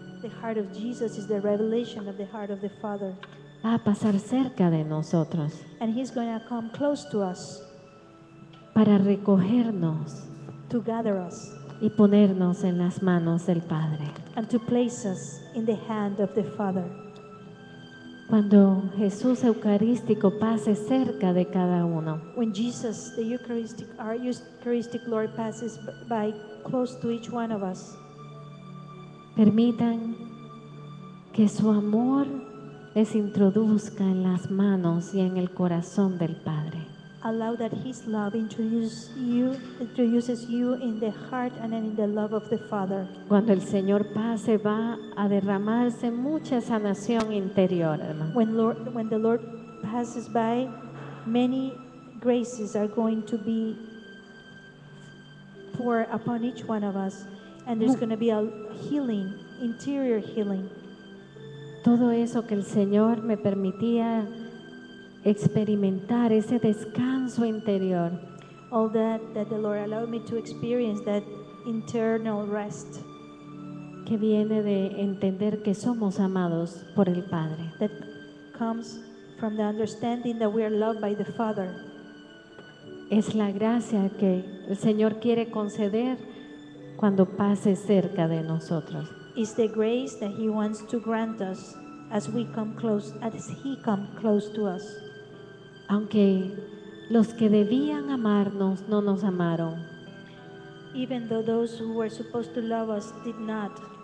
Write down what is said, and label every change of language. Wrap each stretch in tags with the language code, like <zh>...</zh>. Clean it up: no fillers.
<en>the heart of Jesus is the revelation of the heart of the Father,</en> <es>va a pasar cerca de nosotros,</es> <en>and he's going to come close to us,</en> <es>para recogernos,</es> <en>to gather us,</en> <es>y ponernos en las manos del Padre,</es> <en>and to place us in the hand of the Father.</en> <es>Cuando Jesús eucarístico pase cerca de cada uno,</es> <en>when Jesus, the Eucharistic, our Eucharistic Lord, passes by close to each one of us,</en> <es>permitan que su amor les introduzca en las manos y en el corazón del Padre.</es> <en>Allow that his love introduces you in the heart and in the love of the Father.</en> <es>Cuando el Señor pase, va a derramarse mucha sanación interior, hermano.</es> <en>When the Lord passes by, many graces are going to be poured upon each one of us, and there's going to be a healing, interior healing.</en> <es>Todo eso que el Señor me permitía experimentar, ese descanso interior,</es> <en>all that the Lord allowed me to experience, that internal rest,</en> <es>que viene de entender que somos amados por el Padre,</es> <en>that comes from the understanding that we are loved by the Father,</en> <es>es la gracia que el Señor quiere conceder cuando pase cerca de nosotros,</es> <en>is the grace that he wants to grant us as we come close, as he come close to us.</en> <es>Aunque los que debían amarnos no nos amaron,</es> <en>even though those who were supposed to love us did not,</en>